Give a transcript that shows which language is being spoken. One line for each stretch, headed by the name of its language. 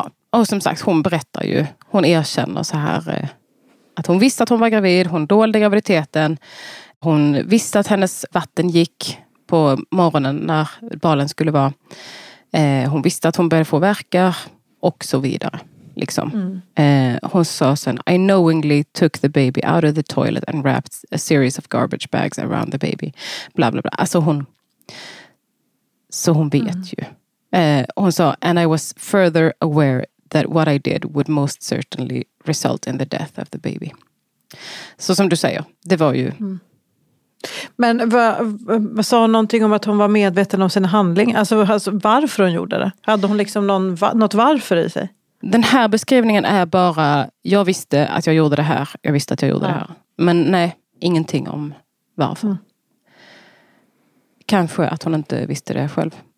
Swedish: Och som sagt, hon berättar ju, hon erkänner så här att hon visste att hon var gravid, hon dolde graviditeten. Hon visste att hennes vatten gick på morgonen när barnen skulle vara. Hon visste att hon började få värkar. Och så vidare, liksom. Hon sa sen,
English: I knowingly took the baby out of the toilet and wrapped a series of garbage bags around the baby.
Swedish: Bla, bla, bla. Alltså hon... Så hon vet ju. Hon sa,
English: and I was further aware that what I did would most certainly result in the death of the baby.
Swedish: Så som du säger, det var ju... Mm. Men vad sa hon någonting om att hon var medveten om sin handling? Alltså varför hon gjorde det? Hade hon liksom något varför i sig? Den här beskrivningen är bara, jag visste att jag gjorde det här. Jag visste att jag gjorde det här. Men nej, ingenting om varför. Mm. Kanske att hon inte visste det själv.